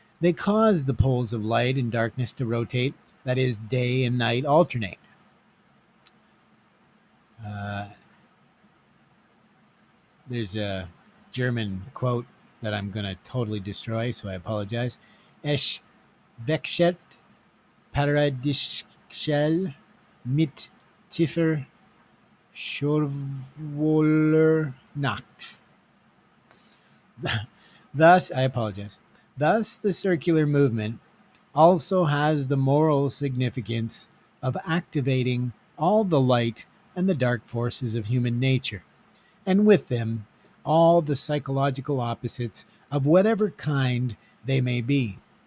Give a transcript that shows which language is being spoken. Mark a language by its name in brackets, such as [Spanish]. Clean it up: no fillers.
[English] They cause the poles of light and darkness to rotate, that is, day and night alternate. There's a German quote that I'm going to totally destroy, so I apologize. [German] Es wechselt paradiesisch mit tiefer schwüler Nacht. [English] Thus, the circular movement also has the moral significance of activating all the light and the dark forces of human nature, and with them, all the psychological opposites of whatever kind they may be.